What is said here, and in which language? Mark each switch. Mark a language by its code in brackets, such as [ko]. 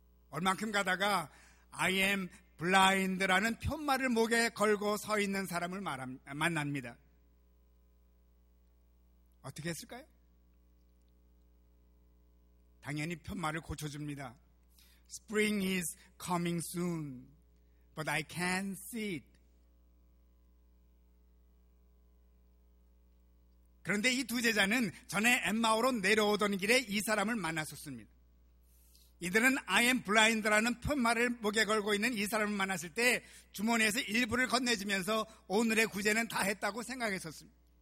[ko] 얼만큼 가다가 [en] I am [ko] 블라인드라는 푯말을 목에 걸고 서 있는 사람을 만납니다. 어떻게 했을까요? 당연히 푯말을 고쳐줍니다. [en] Spring is coming soon, but I can't see it. [ko] 그런데 이 두 제자는 전에 엠마오로 내려오던 길에 이 사람을 만났었습니다. 이들은 [en] I am blind [ko] 라는 푯말을 목에 걸고 있는 이 사람을 만났을 때 주머니에서 일부를 건네주면서 오늘의 구제는 다 했다고 생각했었습니다.